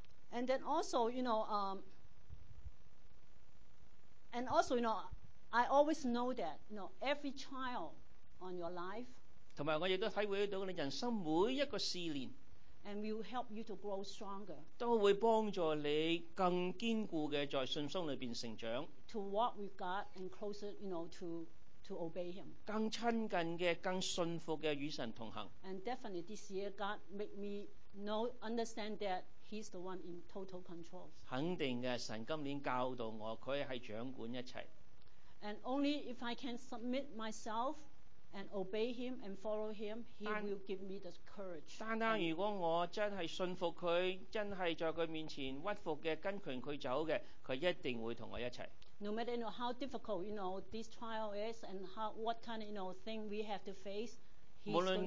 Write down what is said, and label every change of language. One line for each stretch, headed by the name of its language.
English: And then also, you know, I always know that, you know, every child. On your life,
Cantonese: 同埋我亦都體會到你人生每一個試煉
English: ，and will help you to grow stronger，
Cantonese: 都會幫助你更堅固嘅在信心裏邊成長。
English: To walk with God and closer, you know, to obey Him，
Cantonese: 更親近嘅、更信服嘅與神同行。
English: And definitely this year, God make me know understand that He's the one in total control。
Cantonese: 肯定嘅，神今年教導我，佢係掌管一切。
English: And only if I can submit myself。 And obey him and follow him, he will give me the courage.
Cantonese: 單單如果我真係信服佢，真係在佢面前屈服嘅，跟隨佢走嘅，佢一定會同我一齊。
English: No matter you know, how difficult you know this trial is and how what kind of you know thing we have to face, he's going to be there.